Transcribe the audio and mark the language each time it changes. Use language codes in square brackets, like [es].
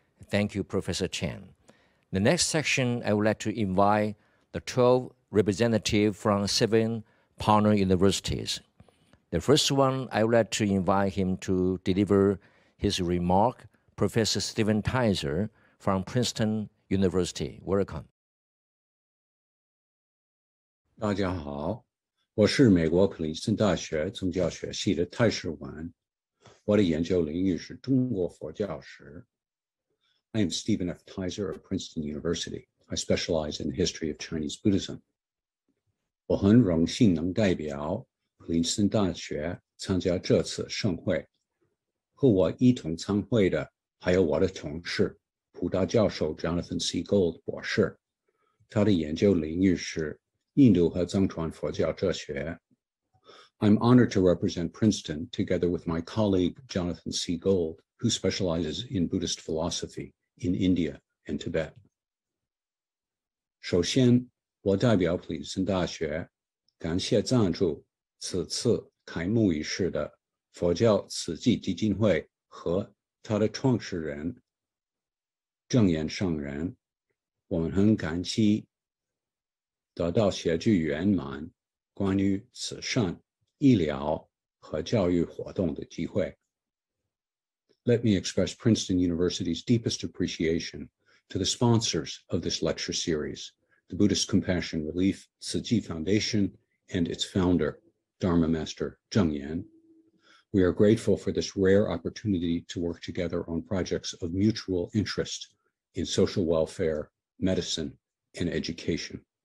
[en] Thank you, Professor Chen. The next section, I would like to invite the 12 representatives from seven partner universities. The first one, I would like to invite him to deliver his remark, Professor Steven Tizer from Princeton University. Welcome. [zh] 大家好，我是美国普林斯顿大学宗教学系的泰士文，我的研究领域是中国佛教史。 [en] I am Stephen F. Tizer of Princeton University. I specialize in the history of Chinese Buddhism. [zh] 我很荣幸能代表普林斯顿大学参加这次盛会，和我一同参会的还有我的同事，普大教授 Jonathan C. Gold 博士，他的研究领域是印度和藏传佛教哲学。 [en] I'm honored to represent Princeton together with my colleague Jonathan C. Gold, who specializes in Buddhist philosophy in India and Tibet. [zh] 首先，我代表普林斯顿大学，感谢赞助此次开幕仪式的佛教慈济基金会和他的创始人证严上人，我们很感激得到协助圆满关于慈善、医疗和教育活动的机会。 [en] Let me express Princeton University's deepest appreciation to the sponsors of this lecture series, the Buddhist Compassion Relief 慈济 Foundation and its founder, Dharma Master Zheng Yan. We are grateful for this rare opportunity to work together on projects of mutual interest in social welfare, medicine, and education.